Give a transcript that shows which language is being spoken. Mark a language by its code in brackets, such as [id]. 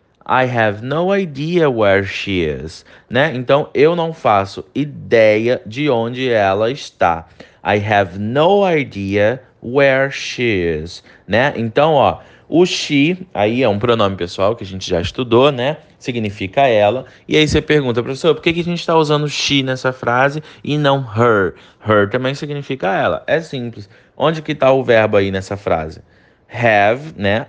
[en] I have no idea where she is, né? [pt] Então eu não faço ideia de onde ela está. [en] I have no idea where she is, né? [pt] Então, ó, o she aí é um pronome pessoal que a gente já estudou, né? Significa ela. E aí você pergunta, professor, por que que a gente está usando she nessa frase e não her? Her também significa ela. É simples. Onde que está o verbo aí nessa frase? Have, né?